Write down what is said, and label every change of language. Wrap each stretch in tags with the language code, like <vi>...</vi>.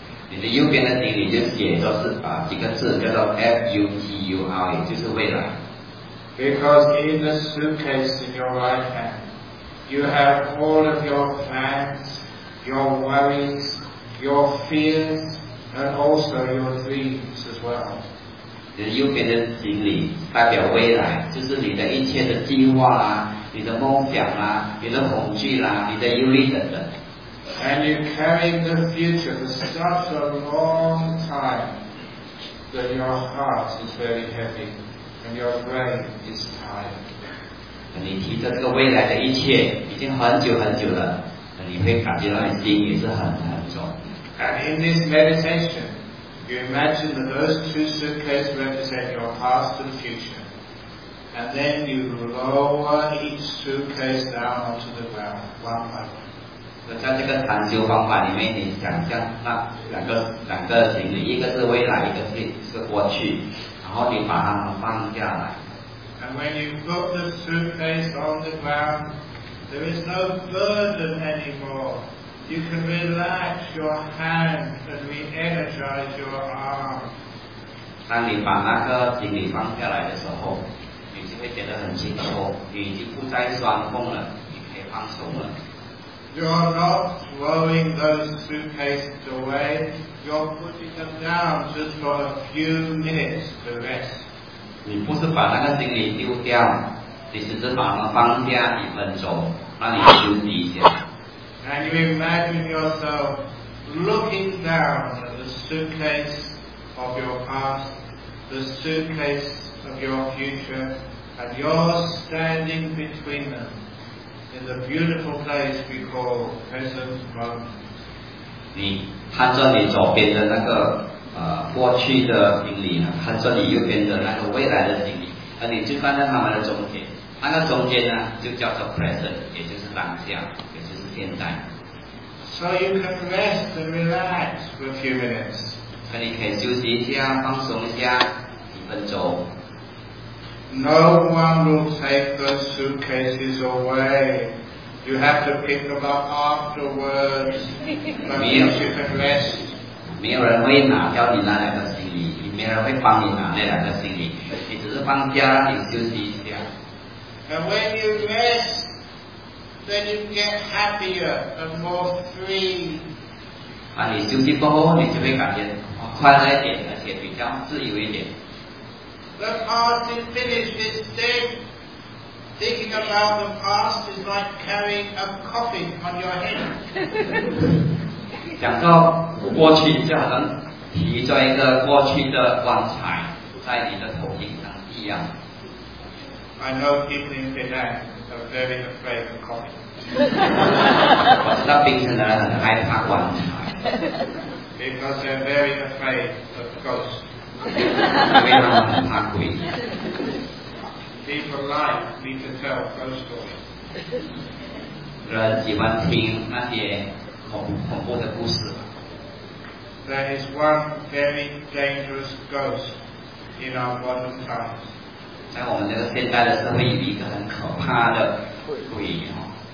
<zh>你的右边的行李就写作是把几个字叫做 FUTURE， 就是未来。</zh> <en>Because in the suitcase in your right hand,You have all of your plans, your worries, your fears, and also your dreams as well.</en> <zh>你的右边的行李代表未来，就是你的一切的计划啦，你的梦想啦，你的恐惧啦，你的忧虑等等。</zh> <en>And you carry the future for such a long time that your heart is very heavy and your brain is tired.</en> <zh>你提着这个未来的一切已经很久很久了，你会感觉到你心也是很重。</zh> <en>And in this meditation, you imagine that those two suitcases represent your past and future. And then you lower each suitcase down onto the ground, one by one.</en> <zh>那在这个禅修方法里面，你想象那两个行李，一个是未来，一个是过去，然后你把它们放下来。</zh> <en>And when you put the suitcase on the ground, there is no burden anymore. You can relax your hand and re-energize your arm.</en> <zh>当你把那个行李放下来的时候，你就会觉得很轻松，你已经不再酸痛了，你可以放松了。</zh> <en>You're not throwing those suitcases away. You're putting them down just for a few minutes to rest.</en> <zh>你不是把那个行李丢掉，你只是把它放下一分钟，让你休息一下。</zh> <en>And you imagine yourself looking down at the suitcase of your past, the suitcase of your future, and you're standing between them in the beautiful place we call present moment.</en> <zh>你看着你左边的那个。过去的行李呢，看着你右边的那个未来的行李，而你就站在他们的中间，那个中间呢就叫做 present， 也就是当下，也就是现在。</zh> <en>So you can rest and relax for a few minutes.</en> <zh>所以你可以休息一下，放松一下，几分钟。</zh> <en>No one will take those suitcases away. You have to pick them up afterwards. But you can rest.</en> <zh>没有人会拿掉你那两个行李，也没人会帮你拿那两个行李，你只是放下让你休息一下。</zh> <en>And when you rest, then you get happier and more free.</en> <zh>当你休息过后，你就会感觉快乐一点，而且比较自由一点。</zh> <en>The past is finished, it's dead. Thinking about the past is like carrying a coffin on your head.</en> <zh>讲到过去就好像提着一个过去的棺材在你的头顶上一样。</zh> <en>I know people in Penang are very afraid of coffin.</en> <zh>我知道槟城的人很害怕棺材。</zh> <en>Because they're very afraid of ghosts.</en> <zh>因为他们很怕鬼。</zh> <en>People like me to tell ghost stories.</en> <zh>人喜欢听那些恐怖的故事。</zh> <en>There is one very dangerous ghost in our modern times.</en> <zh>在我们这个现代的社会，有一个很可怕的鬼哦。</zh>